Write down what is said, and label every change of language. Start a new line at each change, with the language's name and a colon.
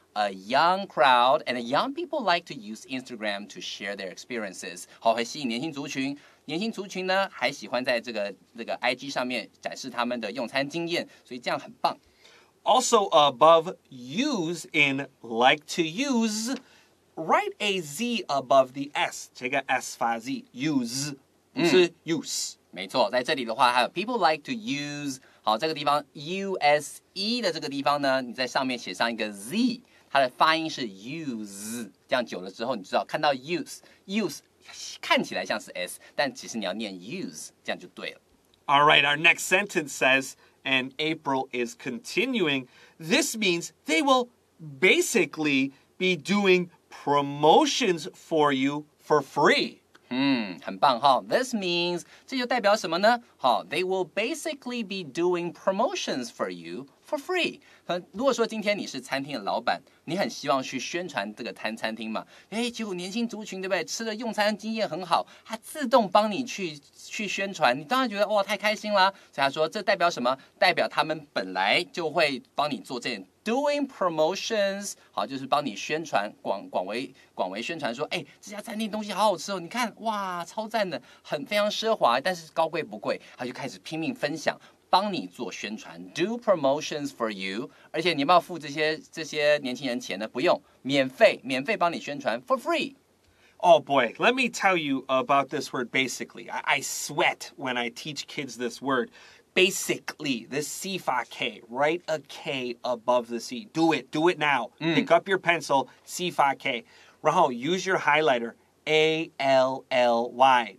English: A young crowd and young people like to use Instagram to share their experiences.
Chinese: 好，会吸引年轻族群。年轻族群呢，还喜欢在这个 IG 上面展示他们的用餐经验，所以这样很棒。
English: Also above use in like to use, write a Z above the S.
Chinese: 这个 S 发 Z, use, 不是 use. 没错，在这里的话，还有
English: people like to use.
Chinese: 好，这个地方 use 的这个地方呢，你在上面写上一个 Z. 它的发音是 use， 这样久了之后，你知道看到 use 看起来像是 s， 但其实你要念 use， 这样就对了。
English: All right, our next sentence says, and April is continuing. This means they will basically be doing promotions for you for free.
Chinese: 很棒哈。
English: This means
Chinese: 这就代表什么呢？
English: 好 ，they will basically be doing promotions for you for free。
Chinese: 如果说今天你是餐厅的老板，你很希望去宣传这个餐厅嘛？结果年轻族群对不对？吃的用餐经验很好，他自动帮你去宣传，你当然觉得哇太开心啦。所以他说这代表什么？代表他们本来就会帮你做这件。
English: Doing promotions,
Chinese: 好，就是帮你宣传，广为宣传说，这家餐厅东西好好吃哦，你看，哇，超赞的，很非常奢华，但是高贵不贵，他就开始拼命分享，帮你做宣传 ，
English: do promotions for you。
Chinese: 而且你要不要付这些年轻人钱呢？不用，免费帮你宣传 ，for free。
English: Oh boy, let me tell you about this word basically. I sweat when I teach kids this word. Basically, this C fa K, write a K above the C. Do it now. Pick up your pencil, C fa K. 然后 use your highlighter, A-L-L-Y.